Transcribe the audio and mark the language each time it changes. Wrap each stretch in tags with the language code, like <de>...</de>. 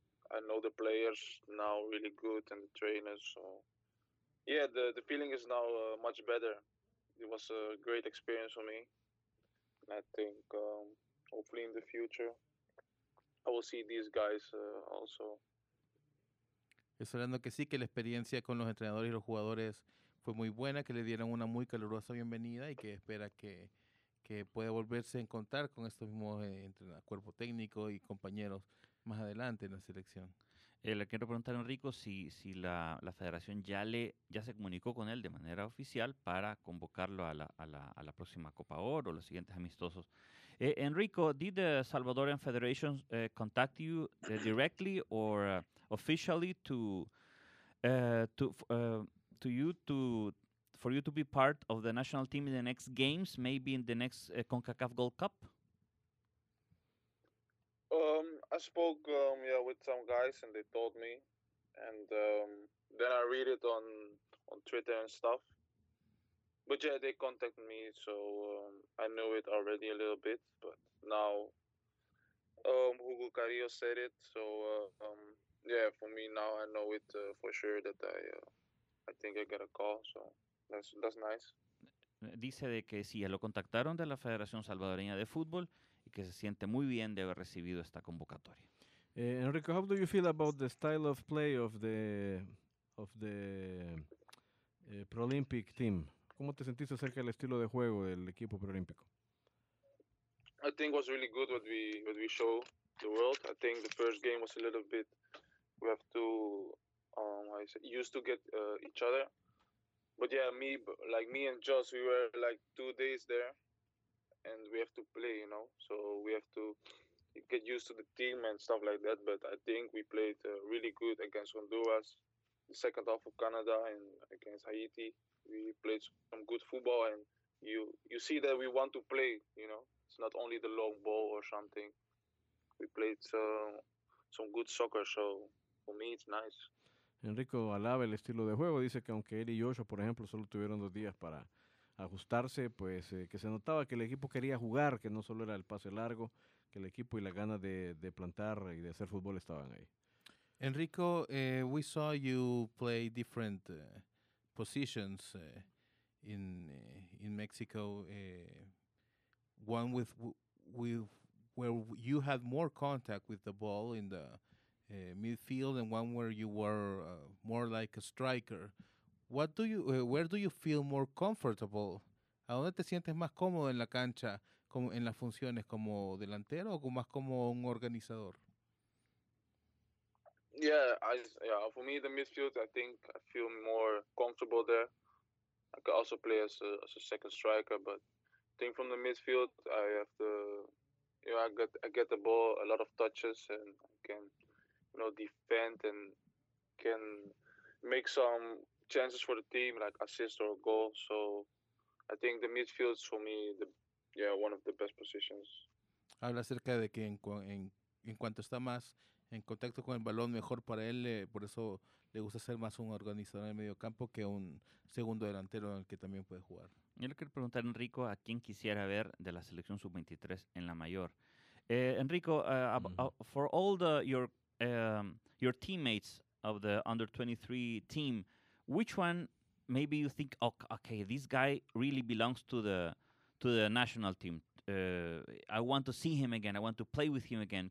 <en>I know the players now really good, and the trainers. So, yeah, the feeling is now much better it was a great experience for me. And I think hopefully in the future I will see these guys also.</en> <es>Estoy hablando que sí, que la experiencia con los entrenadores y los jugadores fue muy buena, que le dieron una muy calurosa bienvenida y que espera que pueda volverse a encontrar con estos mismos entrenadores, cuerpo técnico y compañeros más adelante en la selección. Le quiero preguntar a Enrico si la federación ya se comunicó con él de manera oficial para convocarlo a la próxima Copa Oro o los siguientes amistosos.</es> <en>Enrico, did the Salvadorian Federation contact you directly or officially to be part of the national team in the next games, maybe in the next CONCACAF Gold Cup? I spoke with some guys and they told me, and then I read it on Twitter and stuff. But yeah, they contacted me, so I knew it already a little bit. But now Hugo Carrillo said it, so for me now I know it for sure that I think I get a call, so that's nice.</en> <es>Dice de que sí, lo contactaron de la Federación Salvadoreña de Fútbol. Que se siente muy bien de haber recibido esta convocatoria.</es> <en>Enrico, how do you feel about the style of play of the Pro-Olympic team?</en> <es>¿Cómo te sentiste acerca del estilo de juego del equipo Pro-Olympico?</es> <en>I think it was really good what we show the world. I think the first game was a little bit we have to used to get each other. But yeah, me and Joss, we were like 2 days there. And we have to play, you know, so we have to get used to the team and stuff like that. But I think we played really good against Honduras, the second half of Canada, and against Haiti. We played some good football, and you see that we want to play, you know. It's not only the long ball or something. We played some good soccer, so for me it's nice.</en> <es>Enrico alaba el estilo de juego. Dice que aunque él y Joshua, por ejemplo, solo tuvieron 2 días para ajustarse, pues que se notaba que el equipo quería jugar, que no solo era el pase largo, que el equipo y la gana de plantar y de hacer fútbol estaban ahí.</es> <en>Enrico, we saw you play different positions in Mexico. One with where you had more contact with the ball in the midfield, and one where you were more like a striker. What do you, where do you feel more comfortable?</en> <es>¿A dónde te sientes más cómodo en la cancha, como en las funciones como delantero o más como un organizador?</es> <en>Yeah, for me the midfield, I think I feel more comfortable there. I can also play as a second striker, but I think from the midfield, I get the ball a lot of touches and I can, you know, defend and can make some chances for the team, like assist or goal. So I think the midfield is for me one of the best positions.</en> <es>Habla acerca de que en cuanto está más en contacto con el balón, mejor para él, por eso le gusta ser más un organizador en el medio campo que un segundo delantero en el que también puede jugar. Yo le quiero preguntar a Enrico a quién quisiera ver de la selección sub-23 en la mayor.</es> <en>Enrico, for all the your teammates of the under-23 team, which one maybe you think, oh, okay, this guy really belongs to the national team. I want to see him again. I want to play with him again.</en>